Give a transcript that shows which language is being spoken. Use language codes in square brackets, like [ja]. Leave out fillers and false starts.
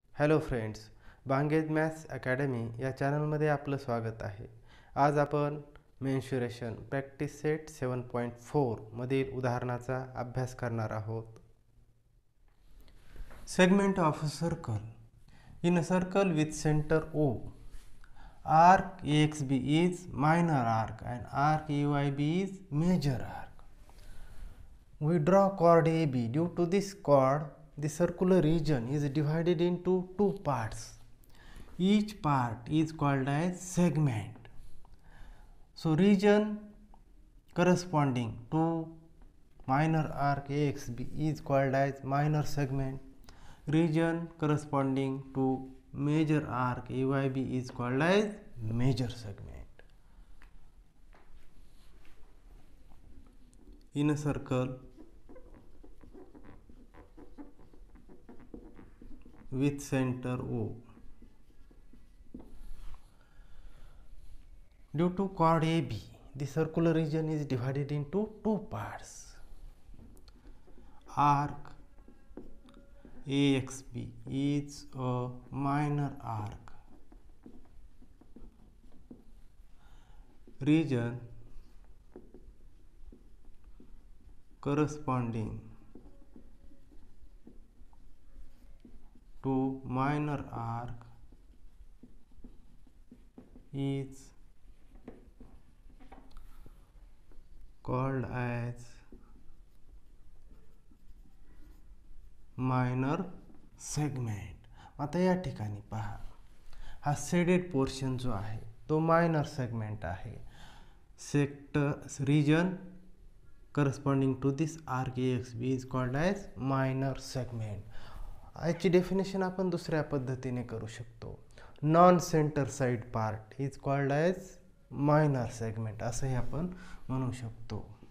[mr] Hello friends, बांगेज maths academy या चॅनलमध्ये आपलं स्वागत आहे. आज आपण मेन्शुरेशन प्रॅक्टिस सेट 7.4 मधील उदाहरणाचा अभ्यास करणार आहोत. [en] Segment of a circle. In a circle with centre O, arc A X B is minor arc and arc A Y B is major arc. We draw chord A B. Due to this chord the circular region is divided into two parts. Each part is called as segment. So region corresponding to minor arc A X B is called as minor segment. Region corresponding to major arc A Y B is called as major segment. In a circle with center O. Due to chord AB, the circular region is divided into two parts. Arc AXB is a minor arc. Region corresponding to minor arc is called as minor segment. [mr] आता या ठिकाणी पहा, हा shaded portion जो आहे तो minor segment आहे. [en] Sector region corresponding to this arc X B is called as minor segment. [mr] याची डेफिनेशन आपण दुसऱ्या पद्धतीने करू शकतो. [en] non centre side part is called as minor segment [mr] असंही आपण म्हणू शकतो.